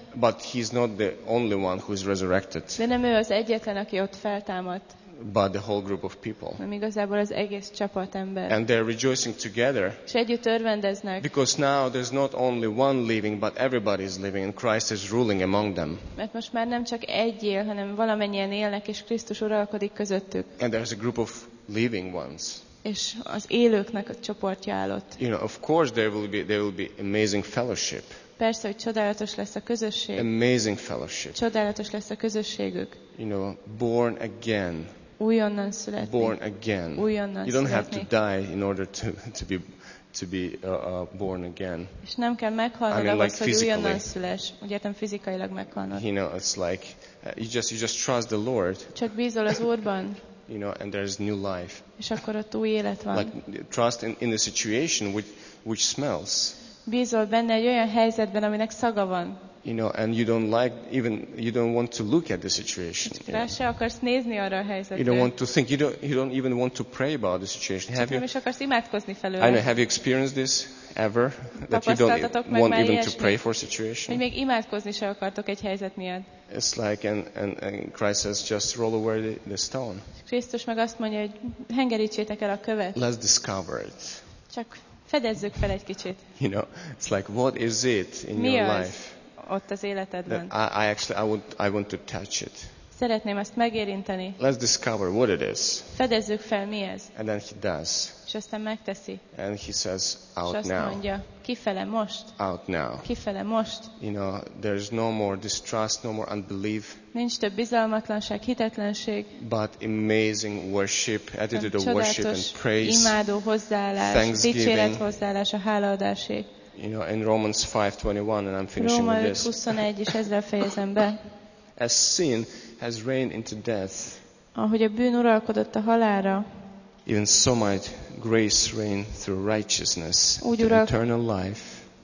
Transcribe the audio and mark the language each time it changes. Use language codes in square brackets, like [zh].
[en] But he's not the only one who is resurrected. [hu] De nem ő az egyetlen, aki ott feltámadt. [en] But the whole group of people. [hu] Nem igazából az egész csapat ember. [en] And they're rejoicing together. [hu] És együtt örvendeznek. [en] Because now there's not only one living, but everybody is living, and Christ is ruling among them. [hu] Mert most már nem csak egy él, hanem valamennyien élnek, és Krisztus uralkodik közöttük. [en] And there's a group of living ones. [hu] És az élőknek a csoportja állott. [en] You know, of course there will be amazing fellowship. [hu] Persze, hogy csodálatos lesz a közösség. [en] Amazing fellowship. [hu] Csodálatos lesz a közösségük. [en] You know, born again. [hu] Újonnan születni. [en] Born again. [hu] Újonnan [en] you don't [hu] születni. [en] Have to die in order to be born again. [hu] És nem kell meghalnod, [en] I mean, [hu] ahhoz, [en] like [hu] hogy újonnan szüles. Úgy értem, fizikailag meghalnod. [en] You know, it's like you just trust the Lord. [hu] Csak bízol az Úrban. [en] You know, and there is new life. [hu] És akkor ott új élet van. [en] Like trust in the situation which smells. [hu] Bízol benne egy olyan helyzetben, aminek szaga van. [en] You know, and you don't like even you don't want to look at the situation. [hu] Rá se akarsz nézni arra a helyzetre. [en] You don't want to think. You don't even want to pray about the situation. Have you? [hu] Nem is akarsz imádkozni felőle. [en] I know. Have you experienced this ever that you don't want even [hu] ilyesmi, [en] to pray for a situation? [hu] Hogy még imádkozni se akartok egy helyzet miatt. [en] It's like and Christ says, just roll away the stone. [hu] Krisztus meg azt mondja, hogy hengerítsétek el a követ. [en] Let's discover it. [hu] Csak fedezzük fel egy kicsit. [en] You know, it's like what is it in [hu] mi [en] your [hu] az? [en] Life? [hu] Ott az életedben. [en] I want to touch it. [hu] Szeretném ezt megérinteni. [en] Let's discover what it is. [hu] Fedezzük fel, mi ez. [en] And then he does. [hu] És aztán megteszi. [en] And he says, out [hu] és azt [en] now. [hu] Mondja, kifele most. [en] Out now. [hu] Kifele most. [en] You know, there's no more distrust, no more unbelief. [hu] Nincs több bizalmatlanság, hitetlenség. [en] But amazing worship, attitude of worship and praise. [hu] Imádó hozzáállás, dicséret hozzáállás, a hálaadásé. [en] You know, in Romans 5:21, and I'm finishing [hu] Róma [en] with this. [hu] Róma 5:21, és ezzel fejezem be. [en] As sin has reigned into death. [hu] Ahogy a bűn uralkodott a halálra. [en] Even so might grace reign through righteousness to eternal life.